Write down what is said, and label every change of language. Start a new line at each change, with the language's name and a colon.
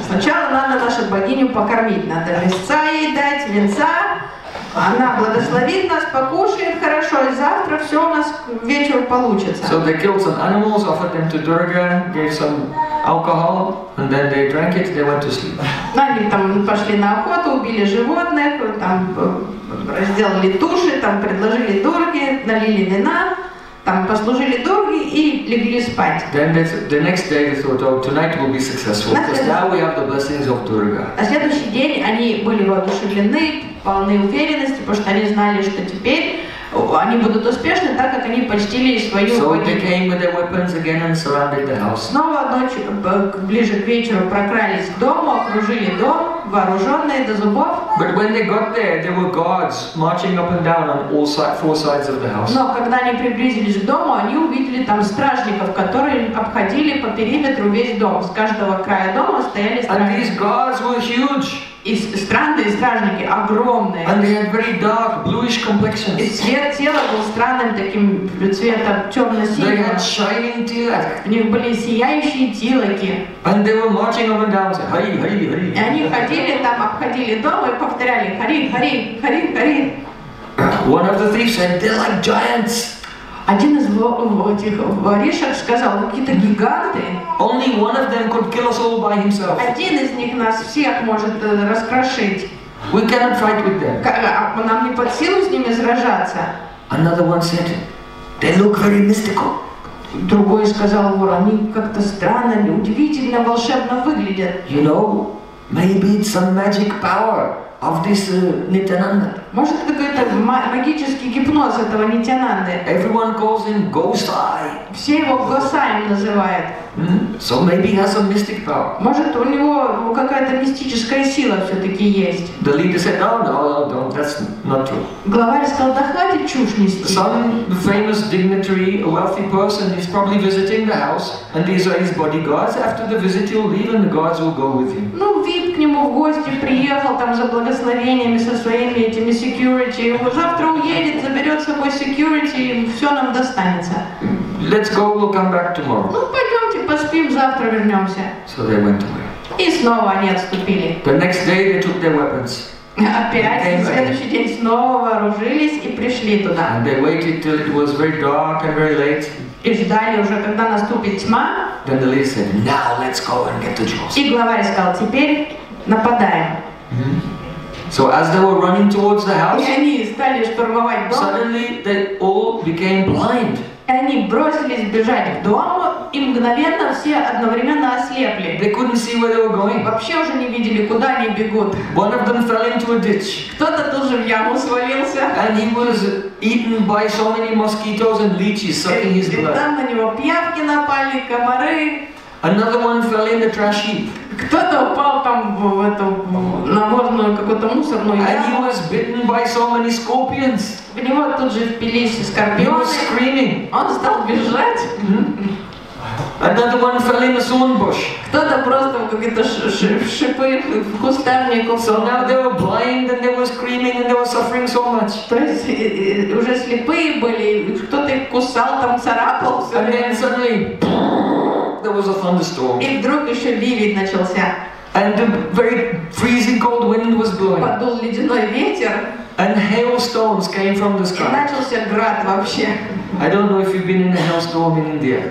Russian: Сначала надо нашу богиню покормить, надо мяса ей дать, венца. Она благословит нас, покушает хорошо, и завтра все у нас вечер получится.
English: So they killed some animals, offered them to Durga, gave some alcohol, and then they drank it. They went to sleep.
Russian: Они там пошли на охоту, убили животных, там разделали туши, там предложили Дурге, налили вина. Там послужили Дурге и легли спать.
English: Then the next day they thought, "Oh, tonight will be successful, because now we have the blessings of Durga."
Russian: На следующий день они были воодушевлены, полны уверенности, потому что они знали, что теперь они будут успешны, так как они почтили свою.
English: So they came with their weapons again and surrounded the house.
Russian: Снова ночью, ближе к вечеру, прокрались к дому, окружили дом, вооруженные до зубов.
English: But when they got there, there were guards marching up and down on all four sides of the house.
Russian: Но когда они приблизились к дому, они увидели там стражников, которые обходили по периметру весь дом. С каждого края дома стояли стражники.
English: And these guards were huge.
Russian: И странные стражники огромные.
English: And they had very dark, bluish complexions.
Russian: И цвет тела был странным таким цветом темно-синего.
English: They had shining tilak.
Russian: У них были сияющие тилаки.
English: And they were marching up and down, saying, "Hari, Hari, Hari."
Russian: И они ходили там, обходили дом и повторяли, "Hari, Hari, Hari, Hari."
English: One of the thieves said, "They're like giants."
Russian: Один из этих воришек сказал, какие-то гиганты.
English: Only one of them could kill us all by himself.
Russian: Один из них нас всех может раскрошить.
English: We cannot fight with them.
Russian: Нам не под силу с ними сражаться.
English: Another one said, "They look very mystical."
Russian: Другой сказал, они как-то странно, удивительно, волшебно выглядят.
English: You know, maybe it's some magic power of this Nityananda.
Russian: Может, какой-то магический гипноз этого Нитянанды.
English: Everyone calls him Gosai.
Russian: Все его Госаем называют.
English: So maybe he has some mystic power.
Russian: Может, у него какая-то мистическая сила все-таки есть.
English: The leader said, no, that's not true.
Russian: Главарь сказал, да хватит чушь нести.
English: Some famous dignitary, a wealthy person, is probably visiting the house, and these are his bodyguards. After the visit, he'll leave, and the guards will go with him.
Russian: Ну, VIP к нему в гости приехал, там за благословениями со своими этими security. Завтра уедет, заберет с собой security, и все нам достанется.
English: Let's go, we'll come back tomorrow.
Russian: Ну, пойдемте, поспим, завтра вернемся.
English: So they went away.
Russian: И снова они отступили.
English: The next day they took their weapons.
Russian: Опять, на следующий день снова вооружились и пришли туда.
English: And they waited till it was very dark and very late.
Russian: И ждали уже, когда наступит тьма.
English: then the leader said, now let's go and get the jewels.
Russian: И главарь сказал, теперь нападаем.
English: So as they were running towards the house,
Russian: и они стали штурмовать дом,
English: suddenly they all became blind.
Russian: И они бросились бежать в дом, и мгновенно все одновременно ослепли.
English: They couldn't see where they were going.
Russian: Вообще уже не видели, куда они бегут.
English: One of them fell into a ditch.
Russian: Кто-то тоже в яму свалился.
English: And he was eaten by so many mosquitoes and leeches sucking his blood.
Russian: И там на него пиявки напали, комары.
English: Another one fell in the trash heap.
Russian: Кто-то упал там в эту навозную какую-то мусорную яму.
English: And he was bitten by so many scorpions.
Russian: В него тут же впились скорпионы.
English: He was screaming.
Russian: Он стал бежать.
English: Another one fell in the thorn bush.
Russian: Кто-то просто в какие-то шипы в кустарник.
English: So now they were blind and they were screaming and they were suffering so much.
Russian: То есть уже слепые были, кто-то их кусал, там царапал.
English: And then suddenly, there was a thunderstorm.
Russian: И вдруг еще ливень начался.
English: And the very freezing cold wind was blowing.
Russian: Подул ледяной ветер.
English: And hailstones came from the sky.
Russian: И начался град вообще.
English: I don't know if you've been in a hailstorm in India.